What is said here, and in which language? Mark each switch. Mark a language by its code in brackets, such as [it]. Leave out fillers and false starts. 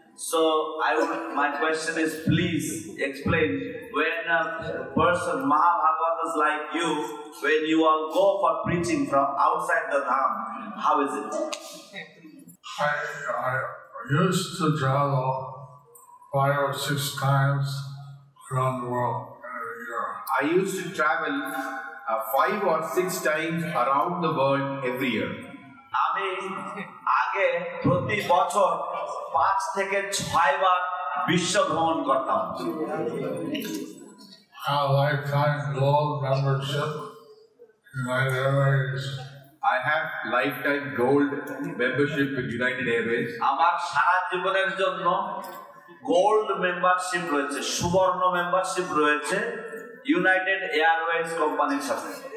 [en] So my question is, please explain, when a person, Mahabhagavatas like you, when you all go for preaching from outside the dham, how is it? I used to travel 5 or 6 times around the world every year. I used to travel 5 or 6 times around the world every year. [bn] আমি আগে প্রতি বছর 5 থেকে 6 বার বিশ্ব ভ্রমণ করতাম। [en] How lifetime gold membership in United Airways. I have lifetime gold membership in United Airways. [bn] আমার সারা জীবনের জন্য গোল্ড মেম্বারশিপ রয়েছে, সুবর্ণ মেম্বারশিপ রয়েছে United Airways company সাথে।